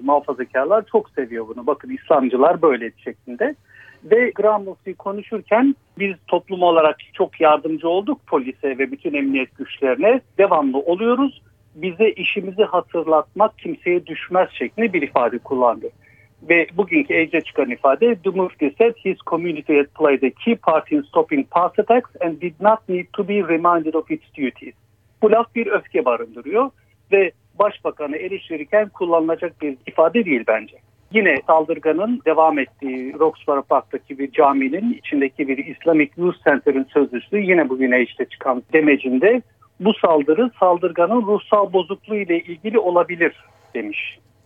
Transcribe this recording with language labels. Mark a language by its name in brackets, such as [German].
[Turkish] Muhafazakarlar çok seviyor bunu. Bakın İslamcılar böyle şeklinde. Ve Grand Mufti konuşurken, biz toplum olarak çok yardımcı olduk polise ve bütün emniyet güçlerine, devamlı oluyoruz, bize işimizi hatırlatmak kimseye düşmez şeklinde bir ifade kullandı. Ve bugünkü ece çıkan ifade, [English] the Mufti said his community had played a key part in stopping past attacks and did not need to be reminded of its duties. [Turkish] Bu laf bir öfke barındırıyor ve başbakanı eleştirirken kullanılacak bir ifade değil bence. Yine saldırganın devam ettiği Roxborough Park'taki bir caminin içindeki bir Islamic Youth Center'ın sözcüsü yine bugün işte çıkan demecinde, bu saldırı saldırganın ruhsal bozukluğu ile ilgili olabilir demiş.